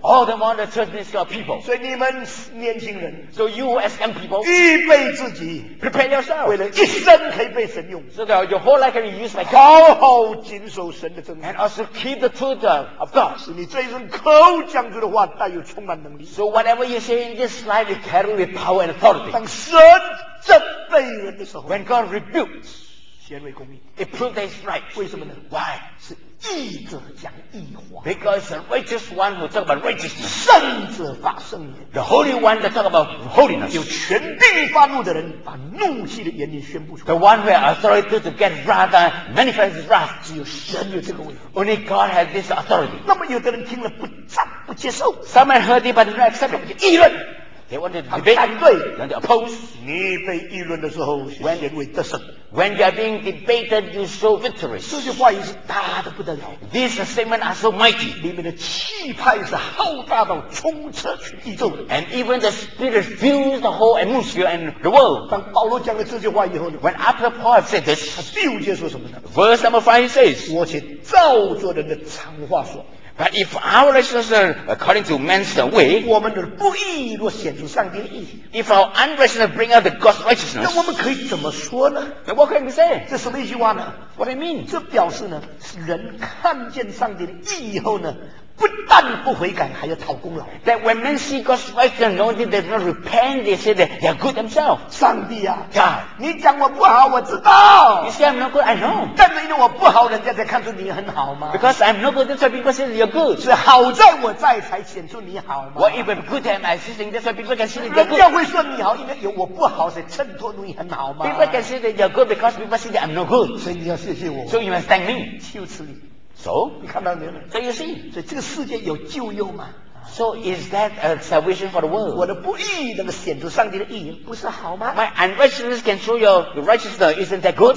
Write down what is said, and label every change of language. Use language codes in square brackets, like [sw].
[en] All the more the church needs this people. [zh] 所以你们年轻人 [en] ，So you as young people, [zh] 预备自己 [en] ，prepare yourself, [zh] 为了一生可以被神用。 [en] So that your whole life can be used by God. [zh] 好好谨守神的真理。 [en] And also keep the truth of God. [zh] 使你这一生口讲出的话带有充满能力。 [en] So whatever you say in this life, you carry with power and authority. [zh] 当神责备人的时候 [en] ，When God rebukes， [zh] 显为公义 [en] ，It proves that it's right。 [zh] 为什么呢 [en] ？Why？ [zh] 是义者讲义话 [en] ，Because the righteous one who talk about righteousness， [zh] 圣者发圣言 [en] ，The holy one that talk about holiness， [zh] 有权柄发怒的人把怒气的言语宣布出来 [en] ，The one who has authority to get wrath manifests his wrath， [zh] 只有神有这个位置 [en] ，Only God has this authority。 [zh] 那么有的人听了不赞不接受 [en] ，Some heard it but did not accept it， [zh] 议论。 [en] They want to debate, want to oppose. [zh] 你被议论的时候，是显为得胜。 [en] When you are being debated, you show victory. [zh] 这句话也是大的不得了。 [en] These statements are so mighty. [zh] 里面的气派是浩大到充斥全宇宙。 [en] And even the spirit fills the whole atmosphere and the world. [zh] 当保罗讲了这句话以后呢 [en] ？When after Paul said this, [zh] 他第五节说什么呢 [en] ？Verse number five says, [zh] 我且照着人的常话说。 [en] But if our righteousness according to man's way, [zh] 我们的不义若显出上帝的义 [en] ，if our unrighteousness bring out the God's righteousness, [zh] 那我们可以怎么说呢 [en] ？Then what can we say? [zh] 这什么一句话呢 [en] ？What do you mean? [zh] 这表示呢，人看见上帝的义以后呢，不但不悔改，还要讨功劳。 [en] That when men see God's righteousness, no, they do not repent. They say that they are good themselves. [zh] 上帝啊 [en] ，God， [zh] 你讲我不好，我知道。 [en] You say I'm not good, I know. [zh] 但是因为我不好，人家才看出你很好嘛。 [en] Because I'm not good, that's why people say you're good. [zh] 是好在我在，才显出你好嘛。我 [en] even good at my sitting, that's why people can see that you're good. [zh] 人家会说你好，因为有我不好，才衬托你很好嘛。 [en] People can see that you're good because people see that I'm not good. [zh] 所以你要谢谢我。 [en] So you must thank me. [zh] 就此。 [en] So, [zh] 你看到没有 [en] So you see. [zh] 所以这个世界有救用吗？ [en] So is that a salvation for the world? [zh] 我的不义能够显出上帝的义，不是好吗？ [en] My unrighteousness can show your righteousness, isn't that good?